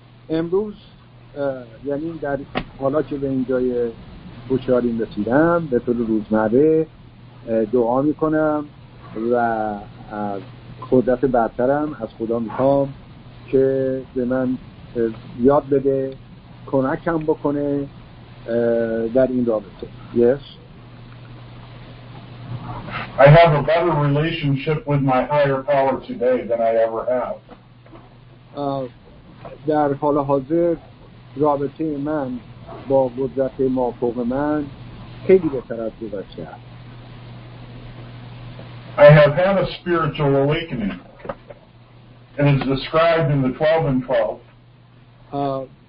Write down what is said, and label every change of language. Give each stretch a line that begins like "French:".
Persian: امروز یعنی در حالا که به اینجای هوشیاری رسیدم به طور روزمره دعا میکنم و از قدرت برترم از خدا میخوام که به من یاد بده کمکم بکنه در این رابطه.
English: Yes. I have a better relationship with my higher power today than I ever have.
Persian: در حال حاضر رابطه من با قدرت مافوق من خیلی بهتر از گذشته است.
English: I have had a spiritual awakening and it's described in the 12 and 12.